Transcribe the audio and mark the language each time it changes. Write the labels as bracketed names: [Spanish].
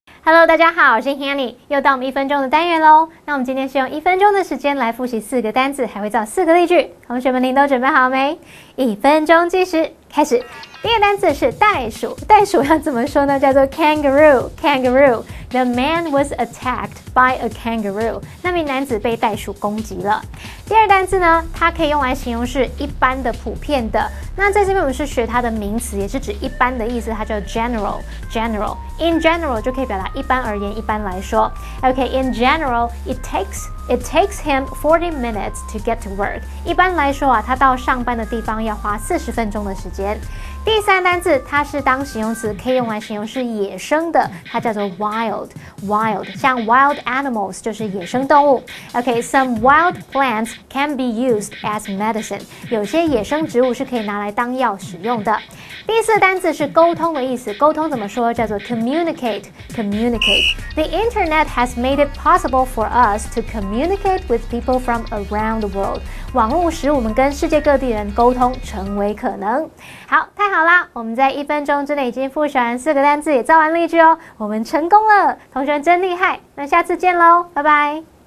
[Chinese] Hello, 大家好，我是 Hanny， 又到我们一分钟的单元喽。那我们今天是用一分钟的时间来复习四个单字，还会造四个例句。同学们，您都准备好没？一分钟计时开始。第一个单字是袋鼠，袋鼠要怎么说呢？ [English] 叫做 kangaroo, kangaroo. The man was attacked by a kangaroo. [Chinese] 那名男子被袋鼠攻击了。第二单字呢，它可以用来形容是一般的、普遍的。那在这边我们是学它的名词，也是指一般的意思，它叫 general, general. In general 就可以表达一般而言、一般来说。 [English] OK, in general, it takes him 40 minutes to get to work. [Chinese] 一般来说啊，他到上班的地方要花40分钟的时间。第三单字，它是当形容词，可以用来形容是野生的，它叫做 wild, wild. 像 wild animals 就是野生动物。 [English] Okay, some wild plants can be used as medicine. [Chinese] 有些野生植物是可以拿来当药使用的。第四单字是沟通的意思，沟通怎么说？叫做 communicate, communicate. [English] The internet has made it possible for us to communicate with people from around the world. [Chinese] 网络使我们跟世界各地人沟通成为可能。好，太好啦，我们在一分钟之内已经复习完四个单字，也造完例句哦，我们成功了，同学们真厉害，那下次见咯，拜拜。